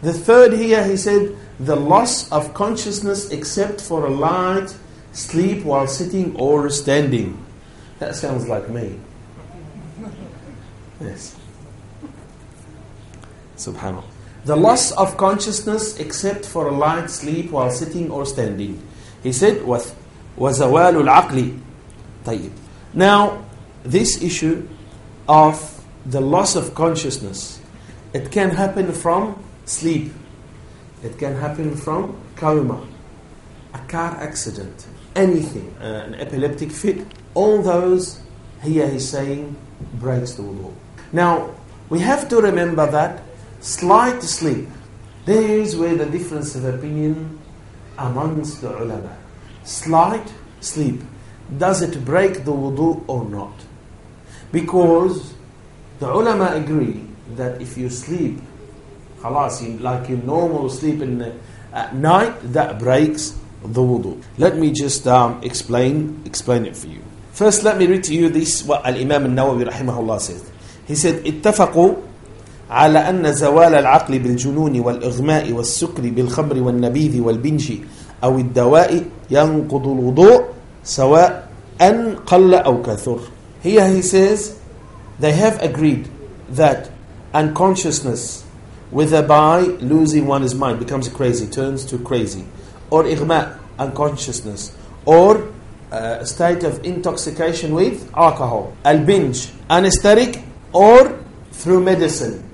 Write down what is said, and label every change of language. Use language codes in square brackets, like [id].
[en] The third here, he said, the loss of consciousness except for a light sleep while sitting or standing. That sounds like me. Yes. SubhanAllah. The loss of consciousness except for a light sleep while sitting or standing. [ar] He said, وَزَوَالُ الْعَقْلِ طيب. [en] Now, this issue of the loss of consciousness, it can happen from sleep. It can happen from coma, a car accident, anything, an epileptic fit. All those, here he's saying, breaks the wudu. Now, we have to remember that slight sleep, there is where the difference of opinion amongst the ulama. Slight sleep, does it break the wudu or not? Because the ulama agree that if you sleep, khalas, like you normal sleep in the, at night, that breaks the wudu. Let me just explain it for you. First, let me read to you this, what Al-Imam al-Nawawi rahimahullah says. [ar] He said, اتفقوا على أن زوال العقل بالجنون والإغماء والسكر بالخمر والنبيذ والبنج أو الدواء ينقض الوضوء سواء أن قل أو كثر. [en] Here he says, they have agreed that unconsciousness, whether by losing one's mind, becomes crazy, turns to crazy, or إغماء, unconsciousness, or a state of intoxication with alcohol, al-binj, anesthetic, or through medicine.